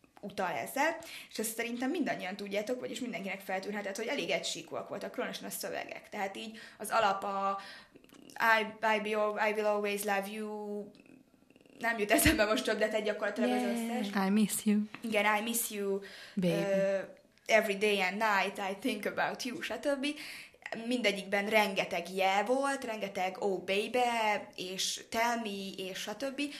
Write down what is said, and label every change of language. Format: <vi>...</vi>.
<hu>utal ezzel, és ezt szerintem mindannyian tudjátok, vagyis mindenkinek feltűnhetett, hogy elég egysíkúak voltak, különösen a szövegek. Tehát így az alap a</hu> <en>I will always love you,</en> <hu>nem jut eszembe most több, de te gyakorlatilag az összes.</hu> <en>I miss you.</en> <hu>Igen,</hu> <en>I miss you. Baby. Every day and night I think about you, stb.</en> <hu>Mindegyikben rengeteg jel volt, rengeteg</hu> <en>oh baby,</en> <hu>és</hu> <en>tell me,</en> <hu>és stb.</hu>